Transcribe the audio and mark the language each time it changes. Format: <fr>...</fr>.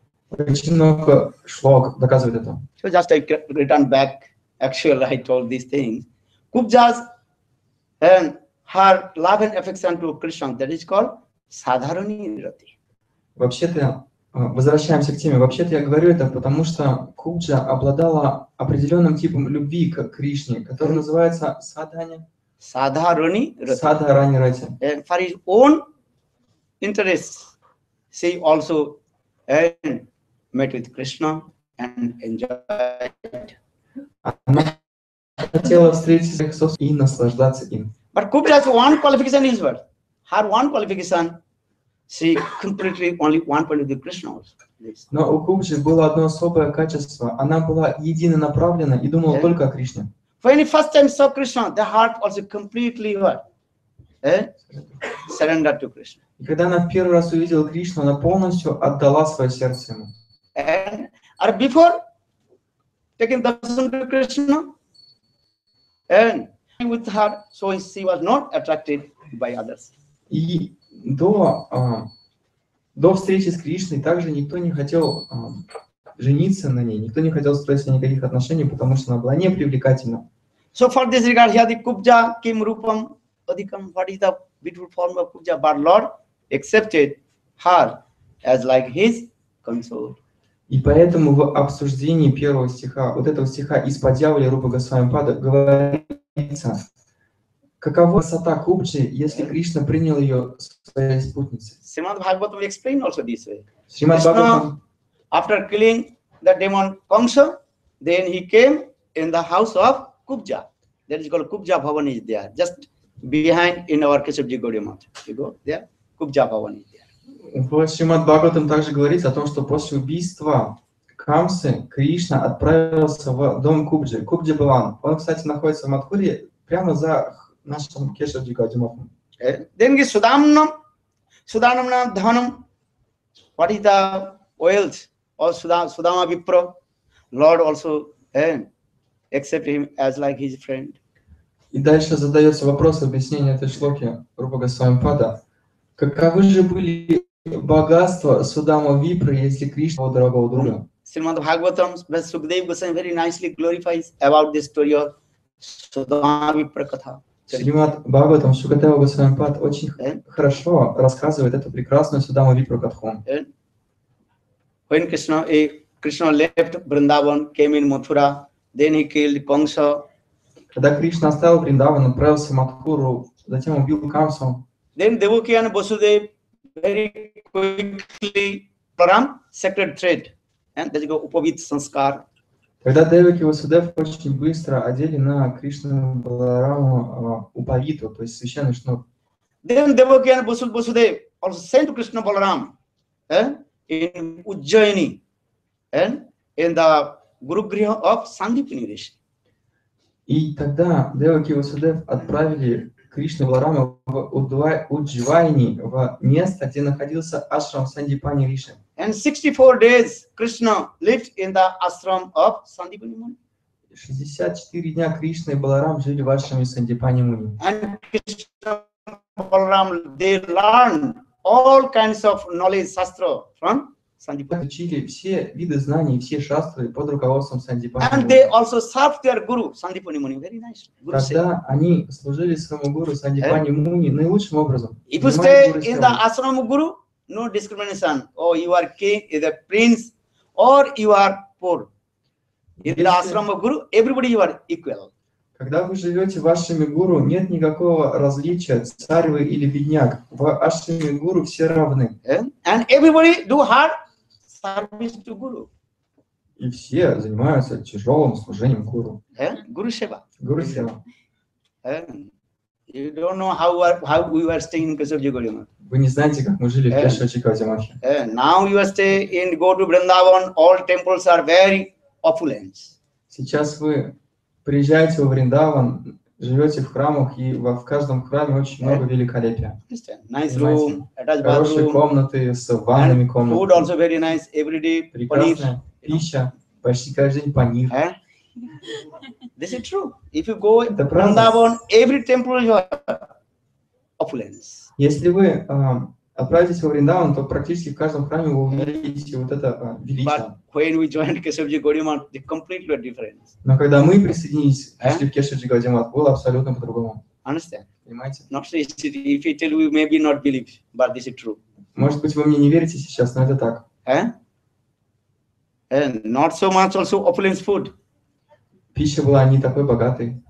<ru>Очень много шлок доказывает это.</ru> <en>So just I return back. Actually, I told these things. Kubjas and her love and affection to Krishna, that is called sadharani rati.</en> <ru>Вообще-то, возвращаемся к теме. Вообще-то я говорю это, потому что Кубджа обладала определенным типом любви к Кришне, который называется садхани.</ru> <en>Sadharani rati. Sadharani rati. And for his own interests, she also met with Krishna and enjoyed.</en> <ru>Она хотела встретиться с Христом и наслаждаться им.</ru> <en>But Kubjas one qualification is what? Her one qualification, she completely only one point with Krishna also.</en> <ru>Но у Кубджи было одно особое качество. Она была единонаправлена и думала только о Кришне.</ru> <en>When he first time saw Krishna, the heart also completely what? Surrender to Krishna.</en> <ru>И когда она в первый раз увидела Кришну, она полностью отдала свое сердце ему.</ru> <en>And before taking darshan to Krishna, and with her, so she was not attracted by others.</en> <ru>И до встречи с Кришной также никто не хотел жениться на ней, никто не хотел строить никаких отношений, потому что она была непривлекательна.</ru> <en>So for this regard, here the Kubja Kim Rupam Adhikam, what is the beautiful form of Kubja? But Lord accepted her as like his consort.</en> <ru>И поэтому в обсуждении первого стиха, вот этого стиха из подъявля Рупа Госвамипада говорится, какова красота Кубджи, если Кришна принял ее своей спутницей?</ru> <en>Srimad Bhagavatam will explain also this way. Srimad Bhagavatam, after killing the demon Kamsa, then he came in the house of Kubja, that is called Kubja Bhavan is there, just behind in our Keshavji Gaudiya Math. You go there, Kubja Bhavan is there.</en> <ru>Srimad Bhagavatam также говорит о том, что после убийства Камсы Кришна отправился в дом Кубджи, Кубджи Бхаван. Он, кстати, находится в Матхуре, прямо за нашим Keshavji Gaudiya Math.</ru> <en>Then he Sudhanam, Sudhanam na Dhanam, what is the wealth of Sudhama Vipra, Lord also, accept him as like his friend.</en> <ru>И дальше задается вопрос объяснения этой шлоки Рупа Госвамипада. Каковы же были богатства Судама Випры, если Кришна его дорогого друга?</ru> <en>Srimad Bhagavatam, Sukadeva Goswami very nicely glorifies about this story of Sudama Vipra Katha.</en> <ru>Srimad Bhagavatam, Sukadeva Goswamipada очень хорошо рассказывает эту прекрасную Судама Випра Катху.</ru> <en>When Krishna left Vrindavan, came in Mathura, then he killed Kamsa.</en> <ru>Когда Кришна оставил Вриндаван, отправился в Матхуру, затем убил Камсу.</ru> <en>Then Devaki and Vasudev very quickly param sacred thread, and that is called Upavit Sanskar.</en> <ru>Когда Деваки и Васудев очень быстро одели на Кришну Балараму Упавиту, то есть священный шнур.</ru> <en>Then Devaki and Vasudev also sent to Krishna Balaram in Ujjaini and in the Гуругриха of Сандипини Риши.</en> <ru>И тогда Деваки и Васудев отправили Кришну Баларама в Удживайни, в место, где находился ашрам Сандипани Риши.</ru> <en>And 64 days Krishna lived in the ashram of Сандипани Муни.</en> <ru>64 дня Кришна и Баларам жили в ашраме Сандипани Муни.</ru> <en>And Krishna Balaram, they learned all kinds of knowledge sastra from Sandipan.</en> <ru>Учили все виды знаний, все шастры под руководством Сандипани.</ru> <en>And they also served their guru Sandipani Muni. Very nice.</en> <ru>Тогда они служили своему гуру Сандипани Муни наилучшим образом.</ru> <en>If you stay in the ashram guru, no discrimination. Oh, you are king, either prince, or you are poor. In the ashram guru, everybody you are equal.</en> <ru>Когда вы живете вашими гуру, нет никакого различия, царь вы или бедняк. В ашраме гуру все равны.</ru> <en>And everybody do hard service to guru.</en> <ru>И все занимаются тяжелым служением гуру.</ru> <en>Guru seva.</en> <ru>Guru seva.</ru> <en>You don't know how we were staying in Kesavajigaudiya.</en> <ru>Вы не знаете, как мы жили в Кесавачигаудиya Махе.</ru> <en>Now you are stay in go to Vrindavan, all temples are very opulent.</en> <ru>Сейчас вы приезжаете во Вриндаван, живете в храмах, и в каждом храме очень много великолепия.</ru> <en>Nice room,</en> <ru>хорошие комнаты с ванными комнатами.</ru> <en>Food also very nice every day.</en> <ru>Прекрасная пища, почти каждый день панир.</ru> <en>This is true. If you go to Vrindavan, every temple you have opulence.</en> <ru>Если вы отправитесь во Вриндаван, то практически в каждом храме вы увидите вот это величие.</ru> <en>But when we joined Kesavji Gaudiamat, the completely different.</en> <ru>Но когда мы присоединились, пришли в Кесавджи Гаудиамат, было абсолютно по-другому.</ru> <en>Understand?</en> <ru>Понимаете?</ru> <en>Not so easy. If you tell you, maybe not believe, but this is true.</en> <ru>Может быть, вы мне не верите сейчас, но это так.</ru> <en>And not so much also opulence food.</en> <ru>Пища была не такой богатой.</ru>